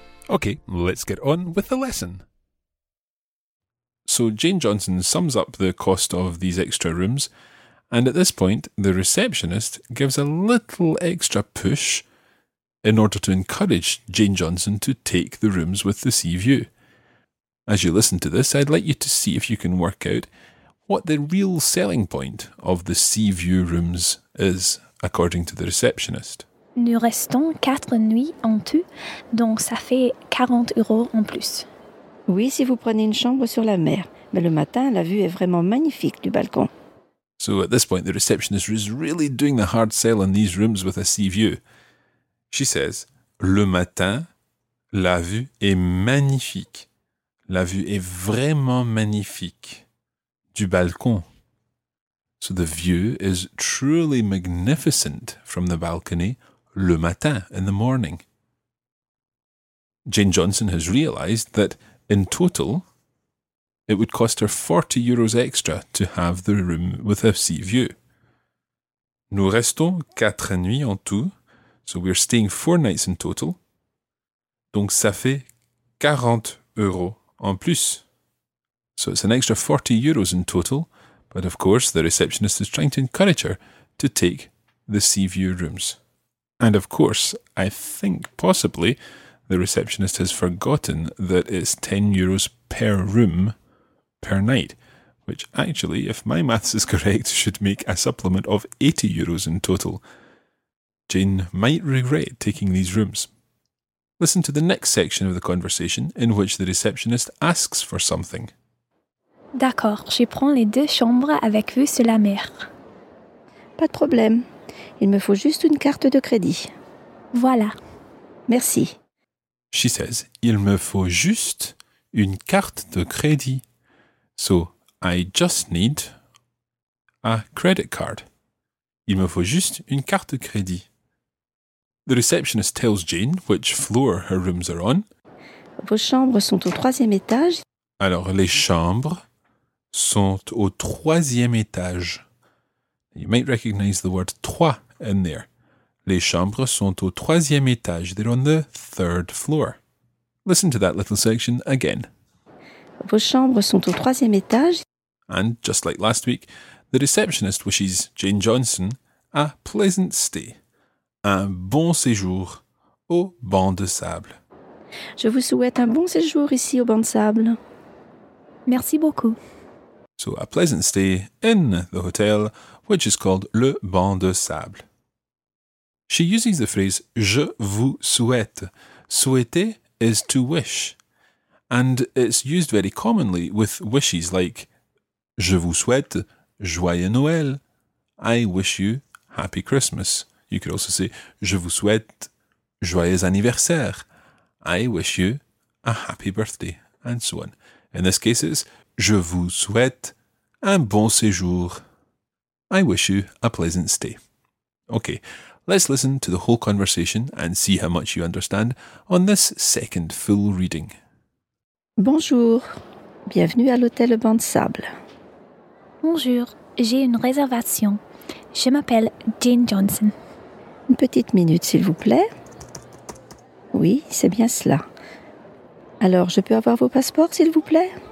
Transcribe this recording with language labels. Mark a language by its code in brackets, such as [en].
[en] Okay, let's get on with the lesson. So Jane Johnson sums up the cost of these extra rooms, and at this point, the receptionist gives a little extra push in order to encourage Jane Johnson to take the rooms with the sea view. As you listen to this, I'd like you to see if you can work out what the real selling point of the sea view rooms is, according to the receptionist. [fr] Nous restons 4 nuits en tout, donc ça fait 40 euros en plus. Oui, si vous prenez une chambre sur la mer, mais le matin, la vue est vraiment magnifique du balcon. [en] So at this point, the receptionist is really doing the hard sell on these rooms with a sea view. She says, [fr] le matin, la vue est magnifique. La vue est vraiment magnifique du balcon. [en] So the view is truly magnificent from the balcony. [fr] Le matin, [en] in the morning. Jane Johnson has realised that, in total, it would cost her 40 euros extra to have the room with a sea view. [fr] Nous restons 4 nuits en tout, [en] So we're staying 4 nights in total. [fr] Donc ça fait 40 euros en plus. [en] So it's an extra 40 euros in total. But of course, the receptionist is trying to encourage her to take the sea view rooms. And of course, I think possibly the receptionist has forgotten that it's 10 euros per room per night, which actually, if my maths is correct, should make a supplement of 80 euros in total. Jane might regret taking these rooms. Listen to the next section of the conversation in which the receptionist asks for something. [fr] D'accord, je prends les deux chambres avec vue sur la mer. Pas de problème. Il me faut juste une carte de crédit. Voilà. Merci. [en] She says, [fr] il me faut juste une carte de crédit. [en] So, I just need a credit card. [fr] Il me faut juste une carte de crédit. [en] The receptionist tells Jane which floor her rooms are on. [fr] Vos chambres sont au troisième étage. Alors, les chambres sont au troisième étage. [en] You might recognize the word trois in there. [fr] Les chambres sont au troisième étage. [en] They're on the third floor. Listen to that little section again. [fr] Vos chambres sont au troisième étage. [en] And just like last week, the receptionist wishes Jane Johnson a pleasant stay. [fr] Un bon séjour au banc de sable. Je vous souhaite un bon séjour ici au banc de sable. Merci beaucoup. [en] So, a pleasant stay in the hotel, which is called Le Banc de Sable. She uses the phrase [fr] je vous souhaite. [en] Souhaiter is to wish. And it's used very commonly with wishes like [fr] je vous souhaite joyeux Noël. [en] I wish you happy Christmas. You could also say [fr] je vous souhaite joyeux anniversaire. [en] I wish you a happy birthday. And so on. In this case, it's [fr] je vous souhaite un bon séjour. [en] I wish you a pleasant stay. Okay, let's listen to the whole conversation and see how much you understand on this second full reading. [fr] Bonjour, bienvenue à l'hôtel Banc de Sable. Bonjour, j'ai une réservation. Je m'appelle Jane Johnson. Une petite minute, s'il vous plaît. Oui, c'est bien cela. Alors, je peux avoir vos passeports, s'il vous plaît?